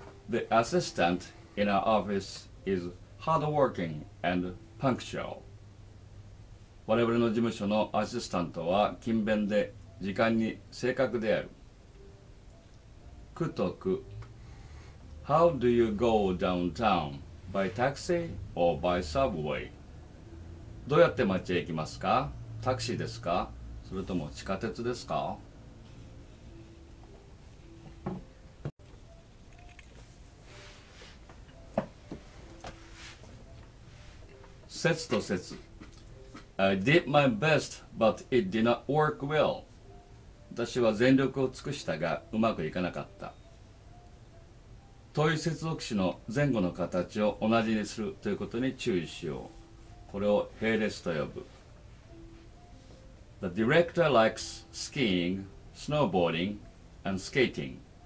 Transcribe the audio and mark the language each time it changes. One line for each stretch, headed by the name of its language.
English: The assistant in our office is hardworking and punctual.
Japanese: 我々の事務所のアシスタントは勤勉で時間に正確である。
English: くとく。How do you go downtown? By taxi or by subway?
Japanese: どうやって街へ行きますか？タクシーですか？それとも地下鉄ですか？せつとせつ。
English: I did my best, but it did not work well.
Japanese: 私は全力を尽くしたが、うまくいかなかった。遠い接続詞の前後の形を同じにするということに注意しよう。これを並列と呼ぶ。
English: The director likes skiing, snowboarding, and skating.